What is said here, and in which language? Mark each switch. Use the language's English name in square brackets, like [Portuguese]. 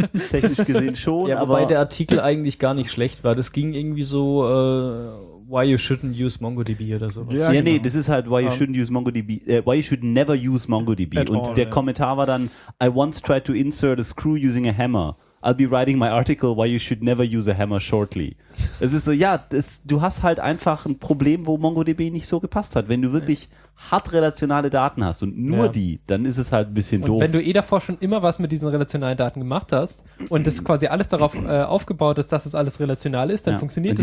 [German] technisch gesehen schon. Ja, aber wobei der Artikel eigentlich gar nicht schlecht war. Das ging irgendwie so [English] why you shouldn't use MongoDB [German] oder sowas. Ja, genau. Nee, das ist halt [English] why you shouldn't use MongoDB. Why you should never use MongoDB. [German] Und der Kommentar war dann [English] I once tried to insert a screw using a hammer. I'll be writing my article why you should never use a hammer shortly. [German] Es ist so, ja, du hast halt einfach ein Problem, wo MongoDB nicht so gepasst hat. Wenn du wirklich hart relationale Daten hast und nur die, dann ist es halt ein bisschen doof. Und wenn du davor schon immer was mit diesen relationalen Daten gemacht hast und das quasi alles darauf aufgebaut ist, dass es alles relational ist, dann funktioniert